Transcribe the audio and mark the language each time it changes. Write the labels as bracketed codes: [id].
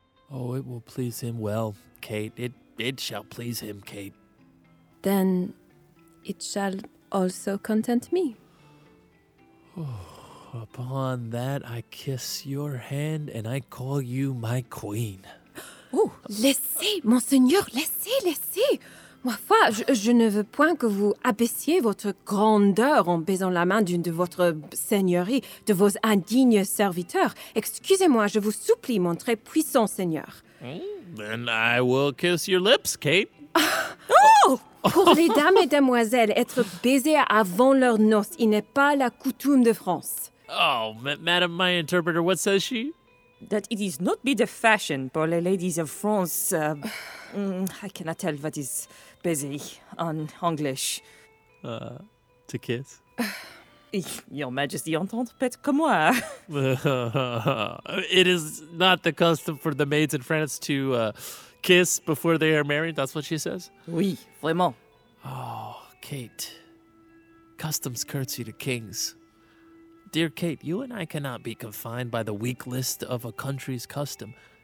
[en] Oh, it will please him well, Kate. It It shall please him, Kate. Then it shall also content me. Upon that, I kiss your hand and I call you my queen. [fr] Oh, laissez, monseigneur, laissez. Ma foi, je ne veux point que vous abaissiez votre grandeur en baisant la main d'une de votre seigneurie, de vos indignes serviteurs. Excusez-moi, je vous supplie, mon très puissant seigneur. [en] Then I will kiss your lips, Kate. [fr] Pour les dames et demoiselles, être baisées avant leur noce, il n'est pas la coutume de France. [en] Madame, my interpreter, what says she? That it is not be the fashion for the ladies of France. I cannot tell what is [fr] baiser en anglais. [en] To kiss? [fr] Your majesty entendre peut-être comme moi. [en] It is not the custom for the maids in France to kiss before they are married, that's what she says? [fr] Oui, vraiment. [en] Oh, Kate. Customs curtsy to kings. Dear Kate, you and I cannot be confined by the weak list of a country's custom.